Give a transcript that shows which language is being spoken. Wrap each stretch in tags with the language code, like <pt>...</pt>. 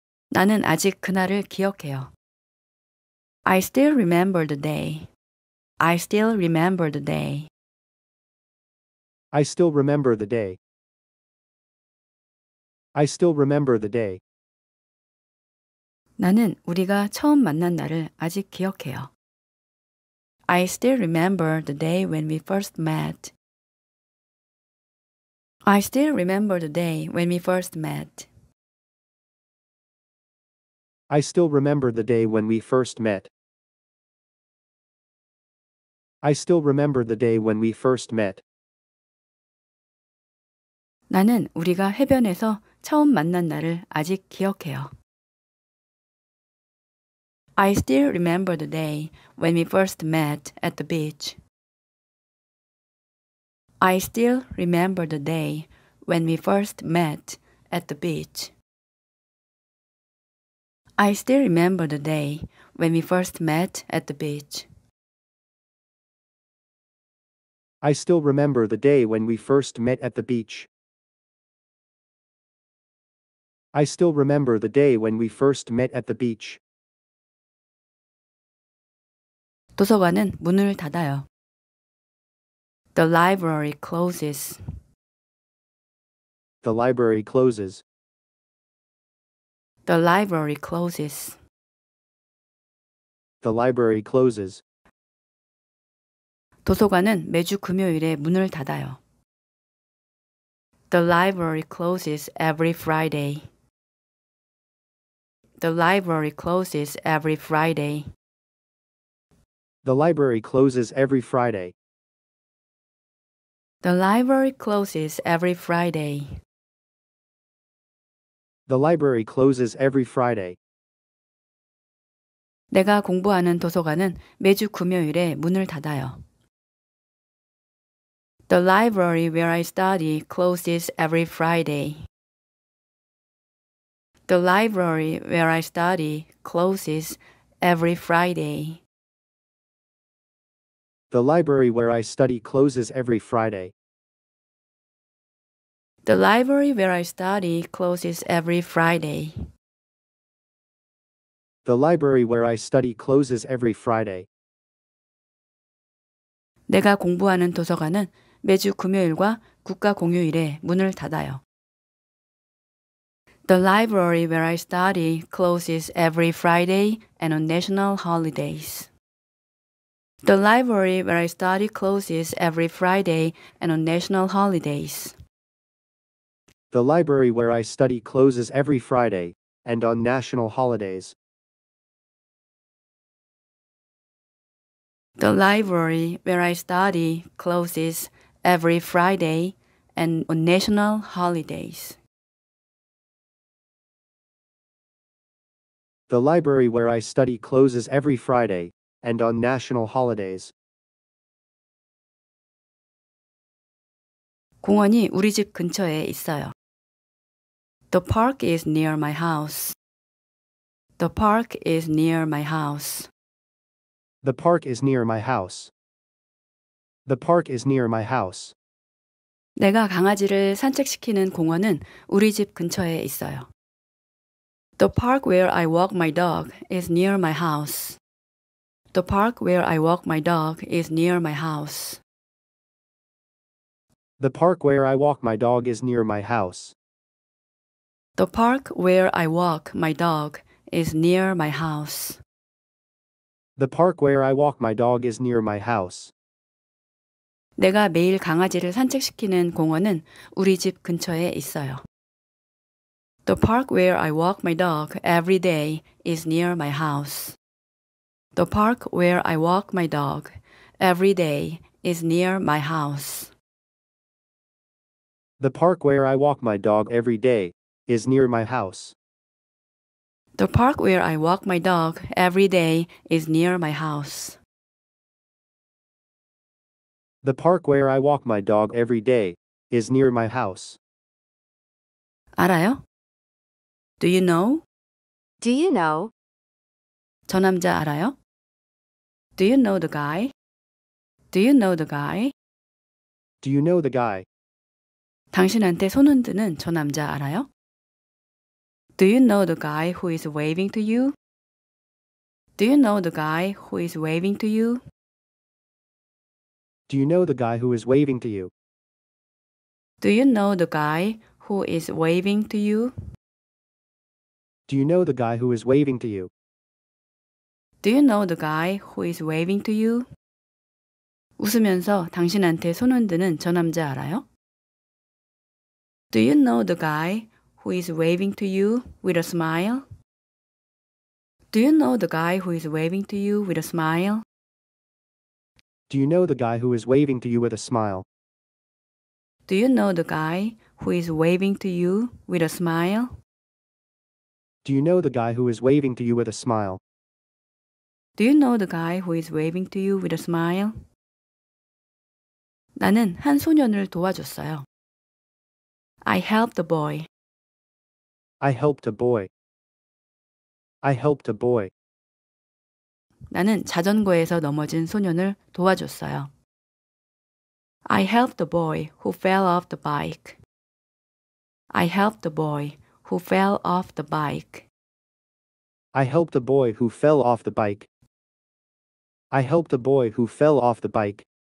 <ko>나는 아직 그날을 기억해요.</ko> <en>I still remember the day. I still remember the day. I still remember the day. I still remember the day.</en> <ko>나는 우리가 처음 만난 날을 아직 기억해요.</ko> <en>I still remember the day when we first met. I still remember the day when we first met. I still remember the day when we first met. I still remember the day when we first met.</en> <ko>나는 우리가 해변에서 처음 만난 날을 아직 기억해요.</ko> <en>I still remember the day when we first met at the beach. I still remember the day when we first met at the beach. I still remember the day when we first met at the beach. I still remember the day when we first met at the beach. I still remember the day when we first met at the beach.</en> <ko>도서관은 문을 닫아요.</ko> <en>The library closes. The library closes. The library closes. The library closes.</en> <ko>도서관은 매주 금요일에 문을 닫아요.</ko> <en>The library closes every Friday. The library closes every Friday. The library closes every Friday. The library closes every Friday. The library closes every Friday.</en> <ko>내가 공부하는 도서관은 매주 금요일에 문을 닫아요.</ko> <en>The library where I study closes every Friday. The library where I study closes every Friday. The library where I study closes every Friday. The library where I study closes every Friday. The library where I study closes every Friday.</en> <ko>내가 공부하는 도서관은 매주 금요일과 국가공휴일에 문을 닫아요.</ko> <en>The library where I study closes every Friday and on national holidays. The library where I study closes every Friday and on national holidays. The library where I study closes every Friday and on national holidays. The library where I study closes every Friday and on national holidays. The library where I study closes every Friday and on national holidays.</en> <ko>공원이 우리 집 근처에 있어요.</ko> <en>The park is near my house. The park is near my house. The park is near my house. The park is near my house.</en> <ko>내가 강아지를 산책시키는 공원은 우리 집 근처에 있어요.</ko> <en>The park where I walk my dog is near my house. The park where I walk my dog is near my house. The park where I walk my dog is near my house. The park where I walk my dog is near my house. The park where I walk my dog is near my house.</en> <ko>내가 매일 강아지를 산책시키는 공원은 우리 집 근처에 있어요.</ko> <en>The park where I walk my dog every day is near my house. The park where I walk my dog every day is near my house. The park where I walk my dog every day is near my house. The park where I walk my dog every day is near my house. The park where I walk my dog every day is near my house.</en> <ko>알아요?</ko> <en>Do you know? Do you know?</en> <ko>저 남자 알아요?</ko> <en>Do you know the guy? Do you know the guy? Do you know the guy?</en> <ko>당신한테 손 흔드는 저 남자 알아요?</ko> <en>Do you know the guy who is waving to you? Do you know the guy who is waving to you? Do you know the guy who is waving to you? Do you know the guy who is waving to you? Do you know the guy who is waving to you? Do you know the guy who is waving to you?</en> <ko>웃으면서 당신한테 손 흔드는 저 남자 알아요?</ko> <en>Do you know the guy who is waving to you with a smile? Do you know the guy who is waving to you with a smile? Do you know the guy who is waving to you with a smile? Do you know the guy who is waving to you with a smile? Do you know the guy who is waving to you with a smile? Do you know the guy who is waving to you with a smile?</en> <ko>나는 한 소년을 도와줬어요.</ko> <en>I helped a boy. I helped a boy. I helped a boy.</en> <ko>나는 자전거에서 넘어진 소년을 도와줬어요.</ko> <en>I helped the boy who fell off the bike. I helped the boy who fell off the bike. I helped the boy who fell off the bike. I helped the boy who fell off the bike.</en>